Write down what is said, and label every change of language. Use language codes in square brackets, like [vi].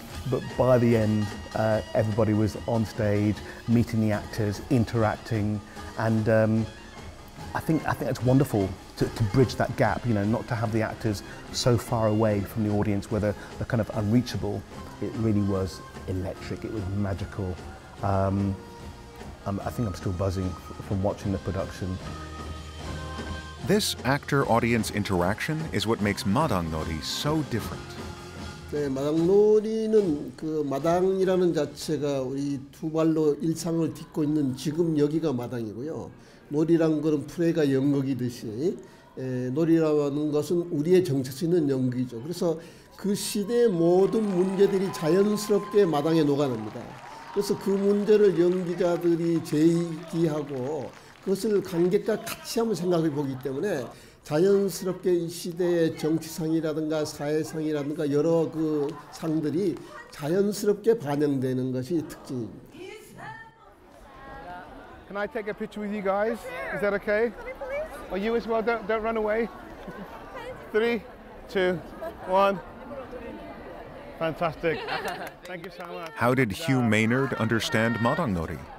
[en] But by the end, everybody was on stage, meeting the actors, interacting, and I think it's wonderful to bridge that gap, you know, not to have the actors so far away from the audience where they're kind of unreachable. It really was electric, it was magical. I think I'm still buzzing from watching the production. This actor-audience interaction is what makes Madang Nori so different. [ko] 네, 마당 놀이는 그 마당이라는 자체가 우리 두 발로 일상을 딛고 있는 지금 여기가 마당이고요. 놀이란 거는 플레이가 연극이듯이 놀이라는 것은 우리의 정체성은 연기죠. 그래서 그 시대의 모든 문제들이 자연스럽게 마당에 녹아납니다. 그래서 그 문제를 연기자들이 제기하고 그것을 관객과 같이 한번 생각해 보기 때문에 자연스럽게 이 시대의 정치상이라든가 사회상이라든가 여러 그 상들이 자연스럽게 반영되는 것이 특징입니다. [en] Can I take a picture with you guys? Is that okay? Are you as well? Don't run away. 3, 2, 1. Fantastic. Thank you so much. How did Hugh Maynard understand Madang Nori?